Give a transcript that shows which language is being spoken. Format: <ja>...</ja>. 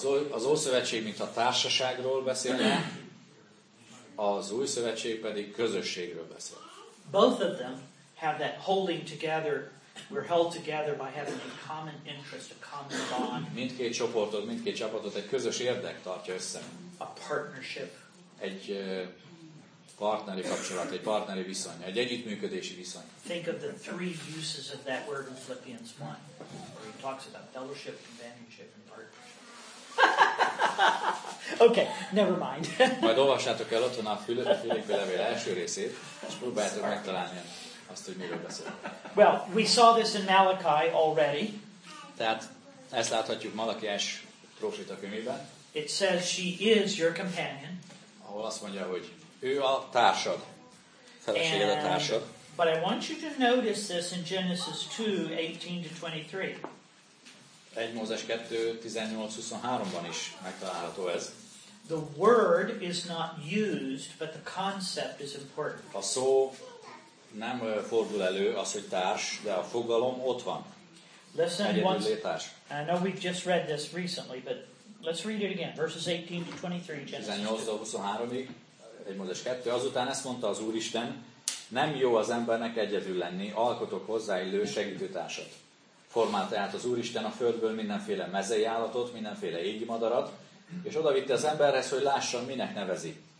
<hu>Az ószövetség, mint a társaságról beszélne, az új szövetség pedig közösségről beszél.</hu> <en>Both of them have that holding together, we're held together by having a common interest, a common bond.</en> <hu>Mindkét csoportot, mindkét csapatot egy közös érdek tartja össze.</hu> <en>A partnership.</en> <hu>Egy partneri kapcsolat, egy partneri viszony, egy együttműködési viszony.</hu> <en>Think of the three uses of that word in Philippians 1, where he talks about fellowship, companionship, and partnership. Okay, never mind.</en> <hu>Majd olvassátok el otthon a Filippi levél első részét, és próbáljátok megtalálni azt, hogy miről beszél.</hu> <en>Well, we saw this in Malachi already.</en> <hu>Tehát ezt láthatjuk Malachiás próféta könyvében.</hu> <en>It says she is your companion.</en> <hu>Ahol azt mondja, hogy ő a társad. Feleséged a társad.</hu> <en>But I want you to notice this in Genesis 2:18-23.</en> <hu>1 Mózes 2:18-23-ban is megtalálható ez.</hu> <en>The word is not used, but the concept is important.</en> <hu>A szó nem fordul elő, az, hogy társ, de a fogalom ott van.</hu> <en>Listen,</en> <hu>egyedüllétárs.</hu> <en>I know we've just read this recently, but let's read it again. Verses 18-23, Genesis</en> <hu>2. 1 Mózes 2. Azután ezt mondta az Úristen, nem jó az embernek egyedül lenni, alkotok hozzáillő segítőtársat. Formált tehát az Úristen a földből mindenféle mezei állatot, mindenféle égi madarat, és oda vitte az emberhez, hogy lásson, minek nevezi.</hu>